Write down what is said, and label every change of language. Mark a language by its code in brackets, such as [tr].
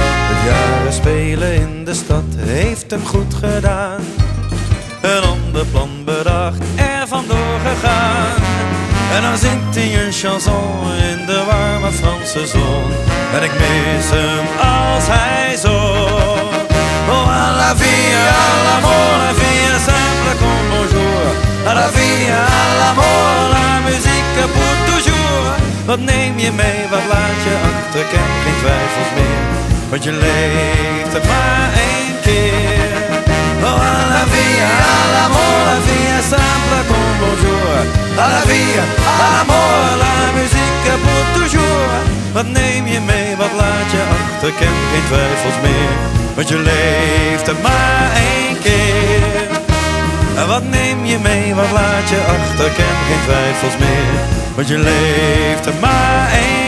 [nl] De jaren spelen in de stad heeft hem goed gedaan. Een ander plan bedacht, er vandoor gegaan. En dan zingt hij een chanson in de warme Franse zon. En ik mis hem als hij zong. [fr] Oh, à la vie, à l'amour, la vie est simple comme bonjour. À la vie, à l'amour, la musique pour toujours. [nl] Wat neem je mee, wat laat je achter, ik heb geen twijfels meer. Want je leeft er maar één keer. [fr] Oh, à la vie, à l'amour, la vie est simple comme bonjour. À la vie, à l'amour, la musique pour toujours. [nl] Wat neem je mee, wat laat je achter, ik heb geen twijfels meer. Want je leeft er maar één keer. En wat neem je mee, wat laat je achter, ken geen twijfels meer. Want je leeft er maar één keer.